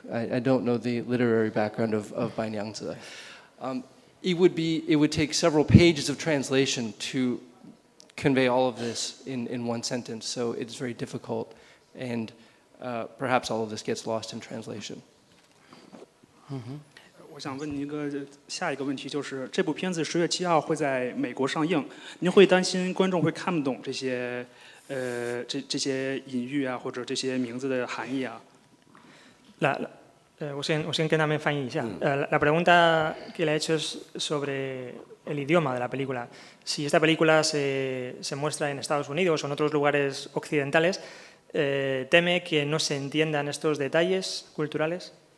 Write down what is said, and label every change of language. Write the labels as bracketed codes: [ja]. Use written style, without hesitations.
[en] I don't know the literary background of Bai Niangzi. It would take several pages of translation to convey all of this in one sentence, so it's very difficult, and perhaps all of this gets lost in translation. [zh] 我想问您一个下一个问题，就是这部片子十月七号会在美国上映，您会担心观众会看不懂这些这些隐喻啊，或者这些名字的含义啊？来，我先跟他们翻译一下。 [es] La pregunta que le he hecho es sobre el idioma de la película. Si esta película se muestra en Estados Unidos o en otros lugares occidentales, teme que no se entiendan estos detalles culturales.